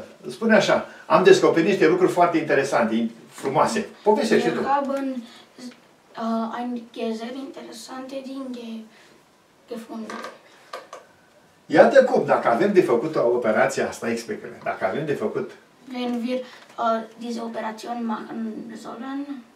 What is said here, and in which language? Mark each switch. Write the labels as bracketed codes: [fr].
[ro] Spune așa, am descoperit niște lucruri foarte interesante, frumoase. Povestește și tu. [de] Wir haben einige sehr interessante Dinge gefunden. [ro] Iată cum, dacă avem de făcut o operație asta, explică-ne. Dacă avem de făcut... [de] Wenn wir diese Operation machen sollen...